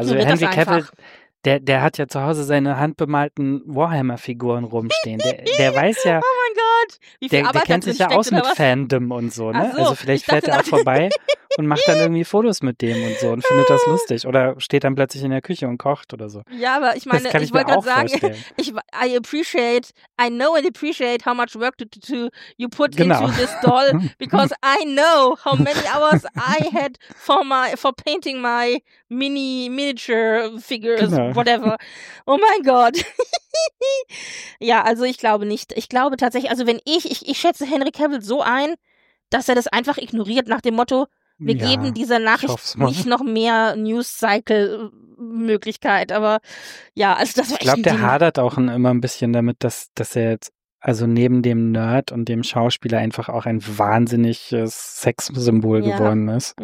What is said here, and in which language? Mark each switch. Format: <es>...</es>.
<de>Also Henry Cavill, der hat ja zu Hause seine handbemalten Warhammer-Figuren rumstehen. Der weiß ja. Oh mein Gott! Der kennt sich ja aus mit Fandom und so, ne? Also vielleicht fährt er auch vorbei und macht dann irgendwie Fotos mit dem und so und findet das lustig. Oder steht dann plötzlich in der Küche und kocht oder so. Ja, aber ich meine, ich wollte gerade sagen,</de> <en>I know and appreciate how much work you put into this doll, because I know how many hours I had for painting my miniature figures, whatever.</en> <de>Oh mein Gott. Ja, also ich glaube nicht. Ich glaube tatsächlich, also wenn ich schätze Henry Cavill so ein, dass er das einfach ignoriert nach dem Motto, wir geben dieser Nachricht nicht noch mehr News-Cycle-Möglichkeit. Aber ja, also das war echt. Ich glaube, der hadert auch immer ein bisschen damit, dass er jetzt, also neben dem Nerd und dem Schauspieler, einfach auch ein wahnsinniges Sexsymbol geworden ist.</de>